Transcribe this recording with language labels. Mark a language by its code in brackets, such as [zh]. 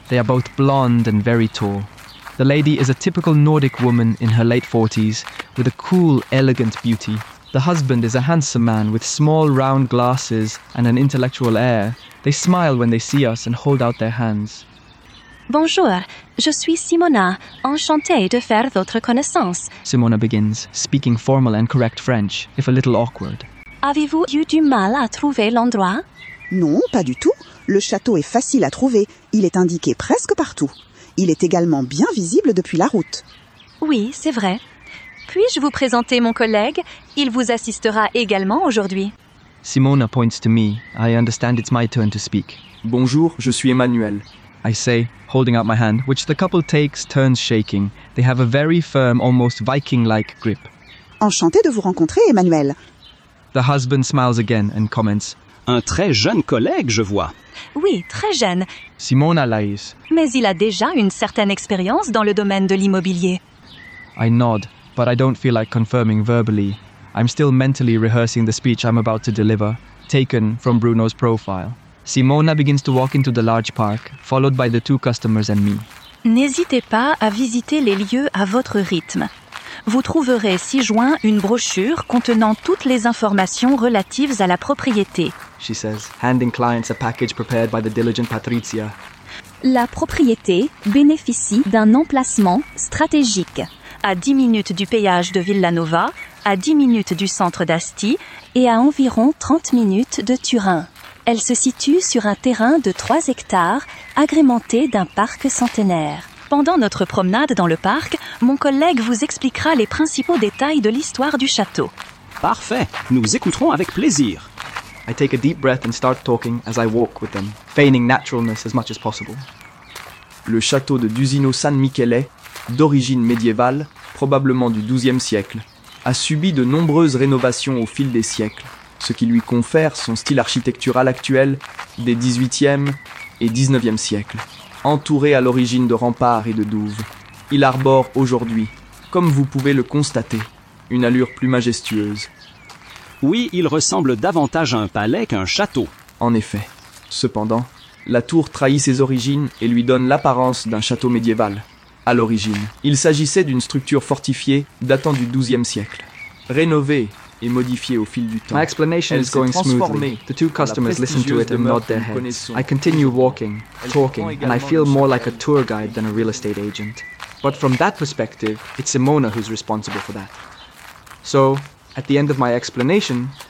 [en] They are both blonde and very tall. The lady is a typical Nordic woman in her late 40s, with a cool, elegant beauty. The husband is a handsome man with small round glasses and an intellectual air. They smile when they see us and hold out their hands. [fr] Bonjour, je suis Simona, enchantée de faire votre connaissance. [en] Simona begins, speaking formal and correct French, if a little awkward. [fr] Avez-vous eu du mal à trouver l'endroit? Non, pas du tout. Le château est facile à trouver. Il est indiqué presque partout. Il est également bien visible depuis la route. Oui, c'est vrai. Puis-je vous présenter mon collègue? Il vous assistera également aujourd'hui. [en] Simona points to me. I understand it's my turn to speak. [fr] Bonjour, je suis Emmanuel. [en] I say, holding out my hand, which the couple takes turns shaking. They have a very firm, almost Viking-like grip. [fr] Enchanté de vous rencontrer, Emmanuel. [en] The husband smiles again and comments. [fr] Un très jeune collègue, je vois. Oui, très jeune. [en] Simona lies. [fr] Mais il a déjà une certaine expérience dans le domaine de l'immobilier. [en] I nod, but I don't feel like confirming verbally. I'm still mentally rehearsing the speech I'm about to deliver, taken from Bruno's profile. Simona begins to walk into the large park, followed by the two customers and me. [fr] N'hésitez pas à visiter les lieux à votre rythme. Vous trouverez ci-joint une brochure contenant toutes les informations relatives à la propriété. [en] She says, handing clients a package prepared by the diligent Patricia. [fr] La propriété bénéficie d'un emplacement stratégique, à 10 minutes du péage de Villanova, à 10 minutes du centre d'Asti et à environ 30 minutes de Turin. Elle se situe sur un terrain de 3 hectares, agrémenté d'un parc centenaire. Pendant notre promenade dans le parc, mon collègue vous expliquera les principaux détails de l'histoire du château. Parfait, nous écouterons avec plaisir. [en] I take a deep breath and start talking as I walk with them, feigning naturalness as much as possible. [fr] Le château de Dusino San Michele, d'origine médiévale, probablement du XIIe siècle, a subi de nombreuses rénovations au fil des siècles, ce qui lui confère son style architectural actuel des XVIIIe et XIXe siècles. Entouré à l'origine de remparts et de douves, il arbore aujourd'hui, comme vous pouvez le constater, une allure plus majestueuse. Oui, il ressemble davantage à un palais qu'à un château. En effet. Cependant, la tour trahit ses origines et lui donne l'apparence d'un château médiéval. À l'origine, il s'agissait d'une structure fortifiée datant du XIIe siècle. Rénovée et modifiée au fil du temps, [en] my explanation is going smoothly. The two customers listen to it and nod their heads. I continue walking, talking, and I feel more like a tour guide than a real estate agent. But from that perspective, it's Simona who's responsible for that. So, at the end of my explanation,